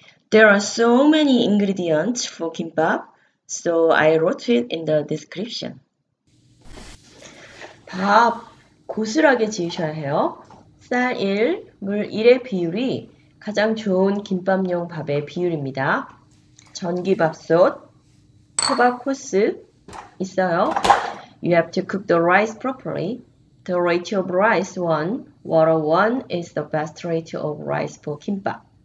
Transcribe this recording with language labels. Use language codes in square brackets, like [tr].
[en] There are so many ingredients for 김밥, so I wrote it in the description. [ko] 밥. 고슬하게 지으셔야 해요. 쌀 1, 물 1의 비율이 가장 좋은 김밥용 밥의 비율입니다. 전기밥솥, 초밥 코스 있어요. [en] You have to cook the rice properly. The ratio of rice 1, water 1 is the best ratio of rice for 김밥.